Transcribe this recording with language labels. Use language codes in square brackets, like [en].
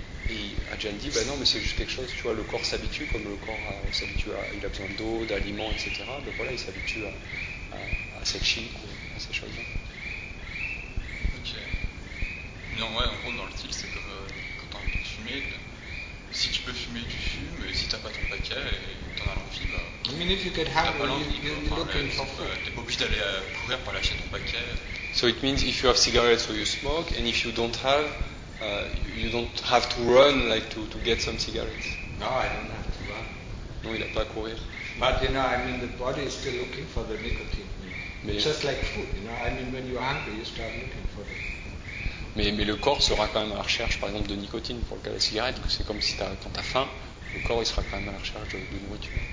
[fr] Et Ajahn dit, bah non, mais c'est juste quelque chose, tu vois, le corps s'habitue, comme le corps s'habitue, il a besoin d'eau, d'aliments, etc. Donc voilà, il s'habitue à cette chic, à ces choses-là. Ok. Non, ouais, en gros, dans le style, c'est comme quand t'as envie de fumer. Si tu peux fumer, tu fumes, et si t'as pas ton paquet et t'en as l'envie, bah. [en] I mean, if you get hungry, you're looking for food. [fr] T'es pas obligé d'aller courir pour lâcher ton paquet. [en] So it means if you have cigarettes, so you smoke, and if you don't have, you don't have to run, like, to get some cigarettes. No, I don't have to run. [fr] Non, il a pas à courir. [en] But, you know, I mean, the body is still looking for the nicotine. You know? Mais just like food, you know, I mean, when you're hungry, you start looking for it. [fr] Mais le corps sera quand même à la recherche, par exemple, de nicotine pour le cas de la cigarette. Donc c'est comme si quand t'as faim, le corps il sera quand même à la recherche de nourriture.